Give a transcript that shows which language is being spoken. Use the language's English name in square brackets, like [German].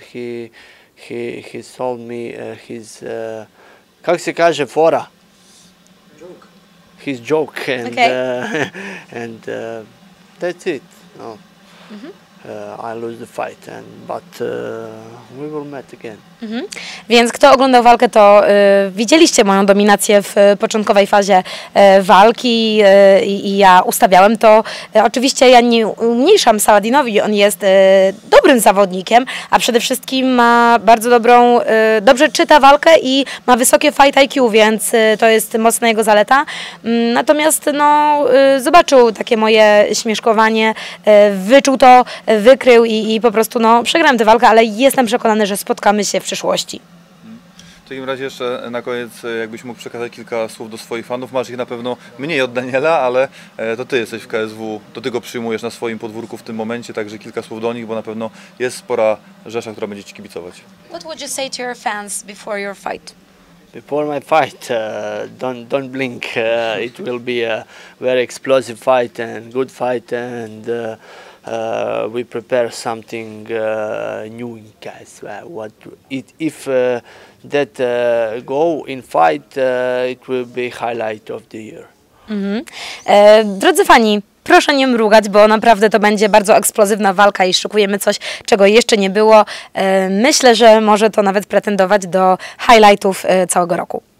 [English] He sold me his [Serbian] как се каже фора. [English] His joke, and that's it. No. I lose the fight, and but we will meet again. Mm-hmm. [Polish] Więc kto oglądał walkę, to widzieliście moją dominację w początkowej fazie walki i ja ustawiałem to. Oczywiście ja nie umniejszam Saladinowi, on jest dobrym zawodnikiem, a przede wszystkim ma bardzo dobrą, dobrze czyta walkę i ma wysokie fight IQ, więc to jest mocna jego zaleta. Natomiast no, zobaczył takie moje śmieszkowanie, wyczuł to, wykrył i po prostu no, przegrałem tę walkę, ale jestem przekonany, że spotkamy się w przyszłości. W takim razie jeszcze na koniec, jakbyś mógł przekazać kilka słów do swoich fanów. Masz ich na pewno mniej od Daniela, ale to ty jesteś w KSW, to ty go przyjmujesz na swoim podwórku w tym momencie, także kilka słów do nich, bo na pewno jest spora rzesza, która będzie ci kibicować. [English] What would you say to your fans before your fight? Before my fight, don't blink. It will be a very explosive fight and good fight, and we prepare something new in KSW. Go in fight, it will be highlight of the year. Mm-hmm. [Polish] Drodzy fani, proszę nie mrugać, bo naprawdę to będzie bardzo eksplozywna walka i szykujemy coś, czego jeszcze nie było. Myślę, że może to nawet pretendować do highlightów całego roku.